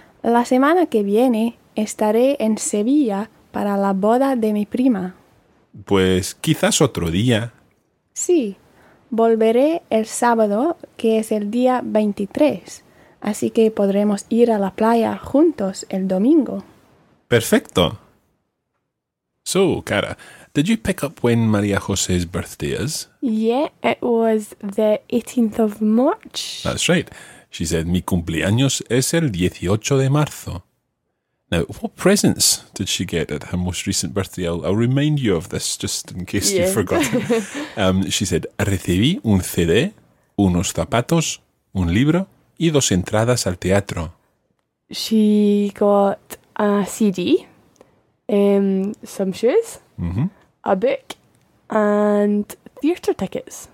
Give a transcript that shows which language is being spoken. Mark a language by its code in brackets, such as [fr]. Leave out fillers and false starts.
[es] La semana que viene estaré en Sevilla para la boda de mi prima. Pues quizás otro día. Sí, volveré el sábado, que es el día 23. Así que podremos ir a la playa juntos el domingo. ¡Perfecto! [en] So, Cara, did you pick up when María José's birthday is? Yeah, it was the 18th of March. That's right. She said, [es] mi cumpleaños es el 18 de marzo. [en] Now, what presents did she get at her most recent birthday? I'll remind you of this just in case you've forgotten. She said, [es] recibí un CD, unos zapatos, un libro y dos entradas al teatro. [en] She got a CD, some shoes, a book, and theatre tickets.